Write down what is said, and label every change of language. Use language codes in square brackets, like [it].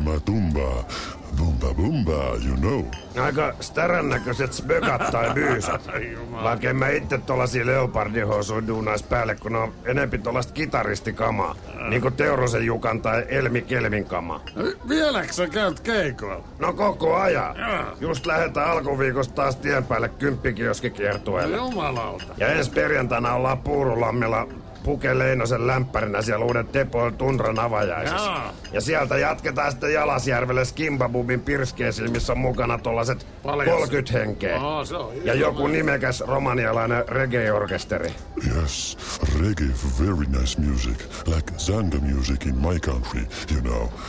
[en] Matumba, Bumba Bumba, you know. [fi] Aika starän näköiset spökat tai byysat. Vaikka en mä itse tollasii leopardihousuun duunais päälle, kun on enempi tollaista kitaristikamaa. Niinku Teurosen Jukan tai Elmi Kelvin kama. Vieläks sä käyt keikoilla? No koko ajan. Just lähetään alkuviikosta taas tien päälle kymppikioskikiertueelle. Jumalauta. Ja ensi perjantaina ollaan Puurulammilla Puke Leinosen lämpärinä siellä uuden Tepoil Tundran avajaisessa. Jaa. Ja sieltä jatketaan sitten Jalasjärvelle Skimbabubin pirskeesi, missä on mukana tollaset 30 henkeä. Aa, se on ja joku nimekäs romanialainen reggae-orkesteri. [en] Yes, reggae, very nice music. Like Zanga music in my country, you know.